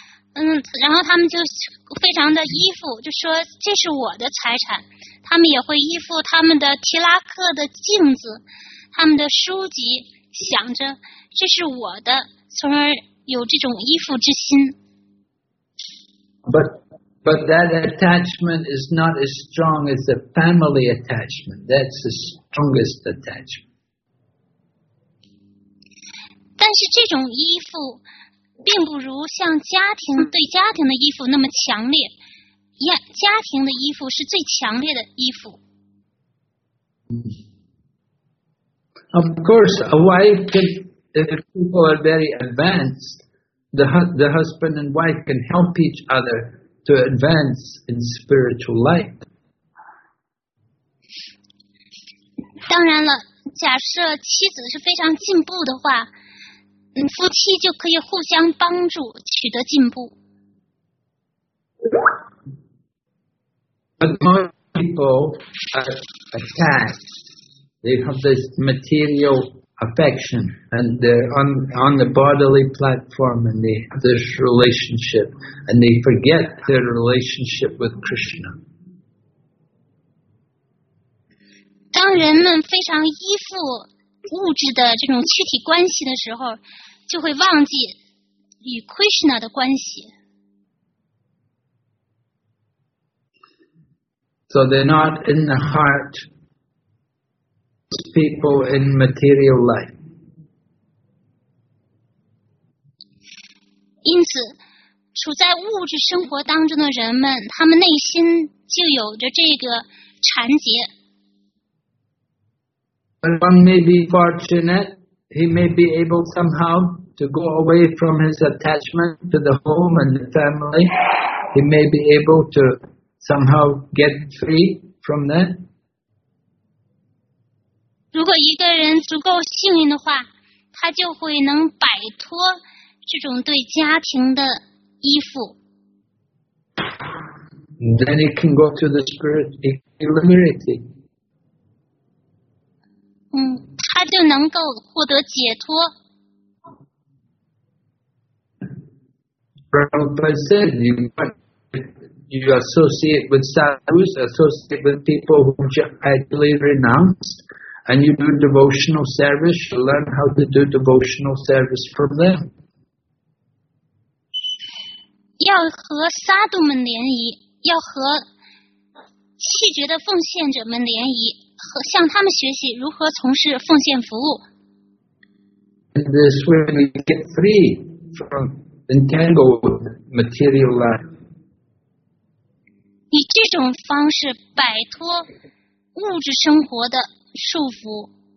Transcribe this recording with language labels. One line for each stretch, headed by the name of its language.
Chinese: 然后他们就非常的依附，就说这是我的财产。他们也会依附他们的提拉克的镜子，他们的书籍，想着这是我的，从而有这种依附之心。
English: But that attachment is not as strong as the family attachment. That's the strongest attachment.
Chinese: 但是这种依附并不如像家庭对家庭的依附那么强烈，家庭的依附是最强烈的依附。
English: Of course, a wife can, if people are very advanced, the husband and wife can help each other to advance in spiritual life.
Chinese: 当然了，假设妻子是非常进步的话，夫妻就可以互相帮助取得进步。
English: But most people are attached. They have this material affection and they're on the bodily platform and they have this relationship and they forget their relationship with Krishna.
Chinese: 当人们非常依附物质的这种躯体关系的时候，就会忘记与 Krishna 的关系。
English: So they're not in the heart, people in material life.
Chinese: 因此，处在物质生活当中的人们，他们内心就有着这个缠结。
English: One may be fortunate, he may be able somehow to go away from his attachment to the home and the family. He may be able to somehow get free from that.
Chinese: 如果一个人足够幸运的话，他就会能摆脱这种对家庭的依附。
English: Then he can go to the spiritual liberty.
Chinese: 他就能够获得解脱。
English: Prabhupada said, you associate with sadhus, associate with people whom you idly renounce, and you do devotional service, you learn how to do devotional service from them.
Chinese: 要和萨杜们联谊，要和弃绝的奉献者们联谊，和向他们学习如何从事奉献服务。
English: In this way, we get free from entangled material life.
Chinese: 以这种方式摆脱物质生活的束缚。